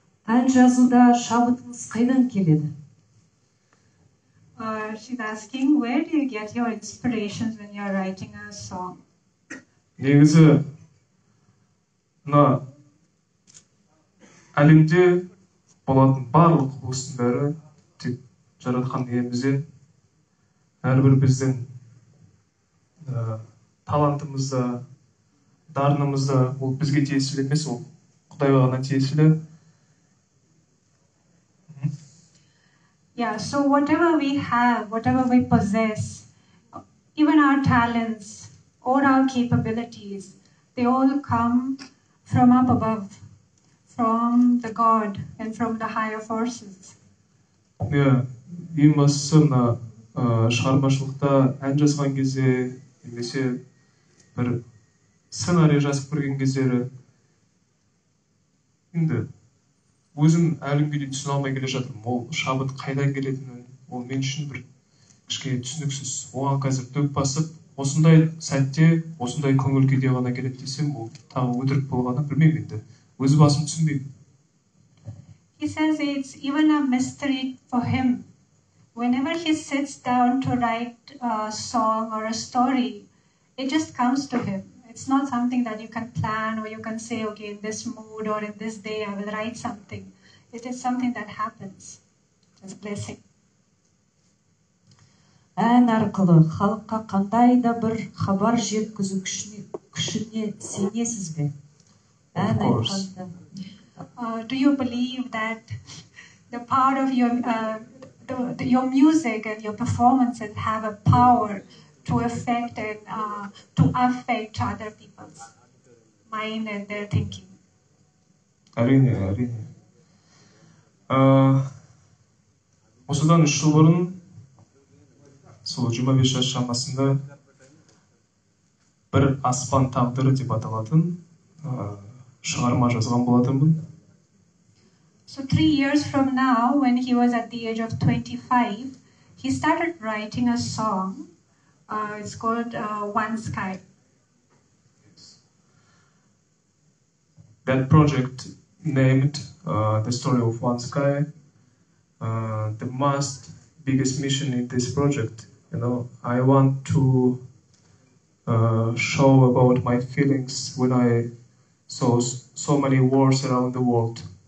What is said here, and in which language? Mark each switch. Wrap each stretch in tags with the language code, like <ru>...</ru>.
<kk>Ән жазуда шабытыңыз қайдан келеді?</kk> <en>She's asking, where do you get your inspirations when you're writing a song?</en> <kk>Негізі, әлемде болатын барлық құбылыстың бәрі тек жаратқан иемізден, әрбір біздің талантымызда, дарынымызда, ол бізге тиесілі емес, ол Құдайға ғана тиесілі.</kk> <en>Yeah, so whatever we have, whatever we possess, even our talents or our capabilities, they all come from up above, from the God and from the higher forces.</en> <kk>Yeah, ең бастысы мына шығармашылықта ән жазған кезде, немесе бір сценарий жазып көрген кездері, енді өзім әлі күнге дейін түсіне алмай келе жатырмын, ол шабыт қайдан келетінін, ол мен үшін бір кішкене түсініксіз. Оған қазір дөп басып, осындай сәтте, осындай көңіл күйде ғана келеді десем, ол тағы өтірік болғаны білмеймін енді, өз басым түсінбеймін.</kk> <en>He says it's even a mystery for him. Whenever he sits down to write a song or a story, it just comes to him. It's not something that you can plan or you can say, okay, in this mood or in this day, I will write something. It is something that happens. It's a blessing.</en> <kk>Ән арқылы халыққа қандай да бір хабар жеткізу күшіне сенесіз бе? Ән айтқанда.</kk> <en>Do you believe that the power of your music and your performances have a power to affect and to affect other people's mind and their thinking?</en> <kk>Әрине, әрине. Осыдан 3 жыл бұрын, сол 25 жас шамасында бір аспан тағдыры деп аталатын шығарма жазған болатынмын.</kk> <en>So 3 years from now, when he was at the age of 25, he started writing a song. It's called One Sky. That project named The Story of One Sky, the most biggest mission in this project, you know, I want to show about my feelings when I saw so many wars around the world.</en>